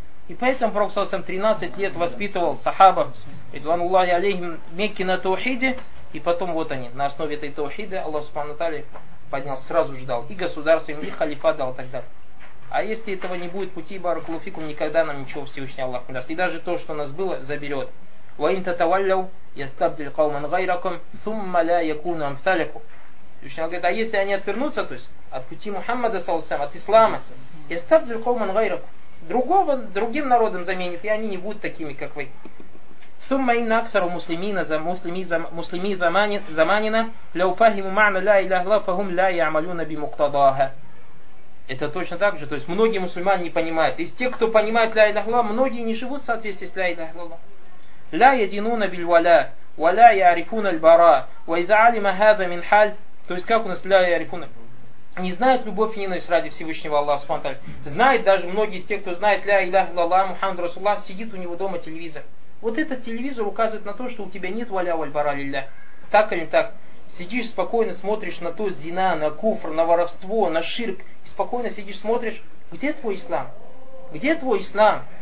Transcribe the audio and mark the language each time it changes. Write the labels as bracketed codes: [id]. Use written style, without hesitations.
[ru] И поэтому Пророк саллаллаху алейхи ва саллям 13 лет воспитывал сахаба ридуаналлахи алейхим Мекки на таухиде, и потом вот они на основе этой таухиды Аллах субхана ва тааля поднял, сразу же дал и государство им, и халифа дал тогда. А если этого не будет, пути баракаллаху фикум, никогда нам ничего Всевышний Аллах не даст, и даже то, что у нас было, заберет. [ar] وإن تتولوا يستبدل قوما غيركم ثم لا يكون أمثالكم. [ru] Всевышний говорит, а если они отвернутся, то есть от пути Мухаммада саллаллаху алейхи ва саллям, от ислама, [ar] يستبدل قوما غيركم, [ru] другого другим народом заменит, и они не будут такими, как вы. [ar] ثم إن أكثر المسلمين مسلمي زماننا لو فهموا معنى لا إله إلا الله فهم لا يعملون بمقتضاها. [ru] Это точно так же, то есть многие мусульмане не понимают. Из тех, кто понимает ля иляха илля, многие не живут в соответствии с ля иляха илля. [ar] لا يدينون بالولاء ولا يعرفون البراء واذا علم هذا من حال. [ru] То есть как у нас [ar] لا يعرفون, [ru] не знают любовь и ненависть ради Всевышнего Аллаха субхана ва тааля. Знает даже многие из тех, кто знает ля иляха илля Мухаммад расулуллах, сидит у него дома телевизор. Вот этот телевизор указывает на то, что у тебя нет валя валь бара лилля. Так или так, сидишь спокойно смотришь на то зина, на куфр, на воровство, на ширк, и спокойно сидишь смотришь, где твой ислам? Где твой ислам?